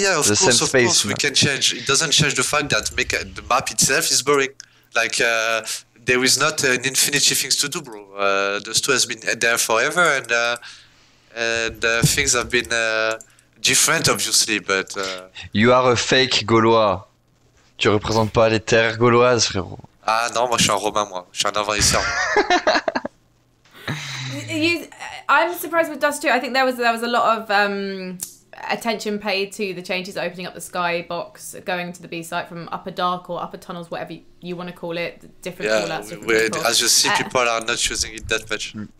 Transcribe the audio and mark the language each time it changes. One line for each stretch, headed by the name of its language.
English: we can change. It doesn't change the fact that the map itself is boring. Like, there is not an infinity things to do, bro. Dust 2 has been there forever, and things have been different, obviously, but... You are a fake Gaulois.
French: Tu ne représentes pas les terres gauloises, frérot. Ah non, moi je suis un Romain, moi. Je suis un envahisseur.
English: I'm surprised with Dust 2. I think there was a lot of attention paid to the changes opening up the skybox, going to the B site from upper dark or upper tunnels, whatever you want to call it. Different callouts. Yeah, as you see, people are not using it that much.